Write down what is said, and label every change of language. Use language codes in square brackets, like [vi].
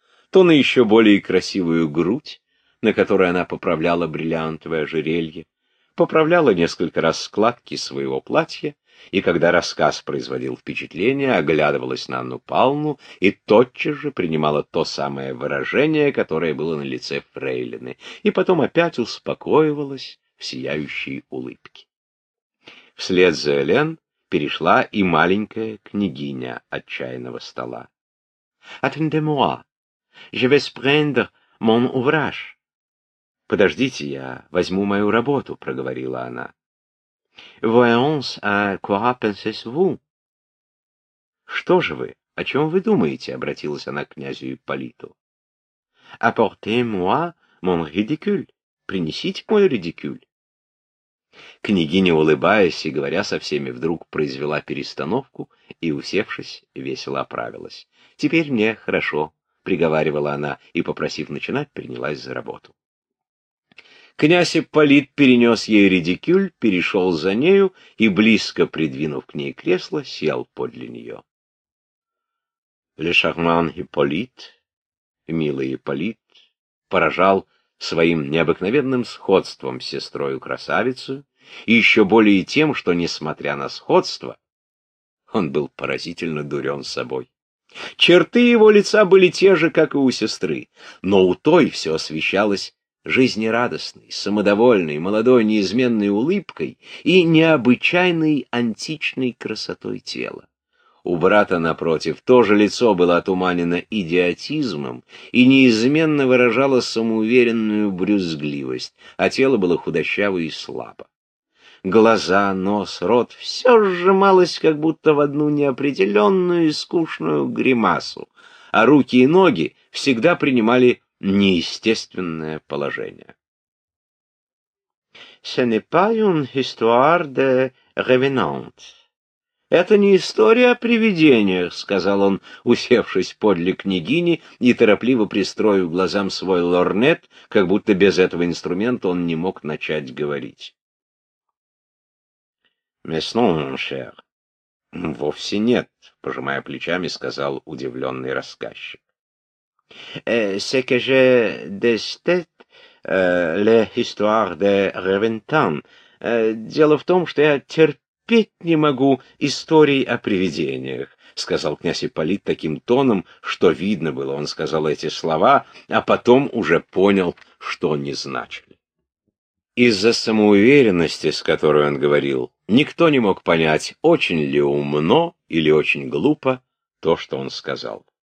[ru] то на еще более красивую грудь, на которой она поправляла бриллиантовое ожерелье, поправляла несколько раз складки своего платья, и когда рассказ производил впечатление, оглядывалась на Анну Павловну и тотчас же принимала то самое выражение, которое было на лице фрейлины, и потом опять успокоивалась в сияющей улыбке. Вслед за Элен перешла и маленькая княгиня от чайного стола. [fr] «Attendez-moi, je vais prendre mon ouvrage». [ru] «Подождите, я возьму мою работу», — проговорила она. [fr] «Voyons, à quoi pensez-vous?» [ru] «Что же вы, о чем вы думаете?» — обратилась она к князю Ипполиту. [fr] «Apportez-moi mon ridicule». [ru] «Принесите мой ридикюль». Княгиня, улыбаясь и говоря со всеми, вдруг произвела перестановку и, усевшись, весело оправилась. «Теперь мне хорошо», — приговаривала она и, попросив начинать, принялась за работу. Князь Ипполит перенес ей редикюль, перешел за нею и, близко придвинув к ней кресло, сел подле нее. [fr] Le charmant Ипполит, [ru] милый Ипполит, поражал своим необыкновенным сходством с сестрою красавицу и еще более тем, что, несмотря на сходство, он был поразительно дурен собой. Черты его лица были те же, как и у сестры, но у той все освещалось жизнерадостной, самодовольной, молодой, неизменной улыбкой и необычайной античной красотой тела. У брата, напротив, тоже лицо было отуманено идиотизмом и неизменно выражало самоуверенную брюзгливость, а тело было худощаво и слабо. Глаза, нос, рот — все сжималось как будто в одну неопределенную и скучную гримасу, а руки и ноги всегда принимали неестественное положение. [fr] «Ce n'est pas une histoire de revenant». [ru] «Это не история о привидениях», — сказал он, усевшись подле княгини и торопливо пристроив глазам свой лорнет, как будто без этого инструмента он не мог начать говорить. [fr] «Mais non, cher». [ru] «Вовсе нет», — пожимая плечами, сказал удивленный рассказчик. [fr] «C'est que je déteste l'histoire de Reventin. [ru] Дело в том, что я терпеть не могу историй о привидениях», — сказал князь Ипполит таким тоном, что видно было, он сказал эти слова, а потом уже понял, что они значили. Из-за самоуверенности, с которой он говорил, никто не мог понять, очень ли умно или очень глупо то, что он сказал.